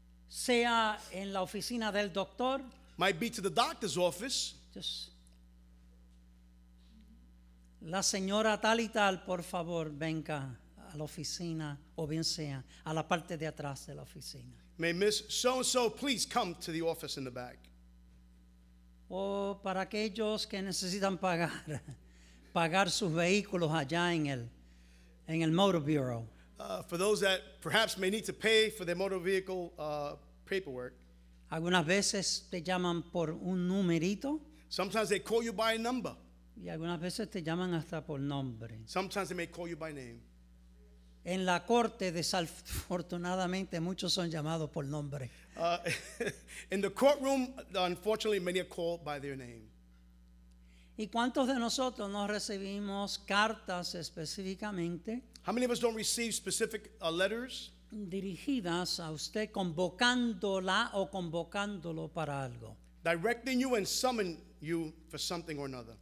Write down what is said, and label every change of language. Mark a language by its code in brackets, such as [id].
[es] Sea en la oficina del doctor. [en] Might be to the doctor's office. Just. [es] La señora tal y tal, por favor, venga a la oficina, o bien sea, a la parte de atrás de la oficina. [en] May Miss So-and-so please come to the office in the back. [es] O para aquellos que necesitan pagar sus vehículos allá en el. En el motor bureau. [en] For those that perhaps may need to pay for their motor vehicle paperwork. [es] Algunas veces te llaman por un numerito. [en] Sometimes they call you by a number. [es] Y algunas veces te llaman hasta por nombre. [en] Sometimes they may call you by name. [es] En la corte, desafortunadamente, muchos son llamados por nombre. [en] In the courtroom, unfortunately, many are called by their name. [es] ¿Y cuántos de nosotros no recibimos cartas específicamente? [en] How many of us don't receive specific letters? [es] Dirigidas a usted convocándola o convocándolo para algo. [en] Directing you and summon you for something or another.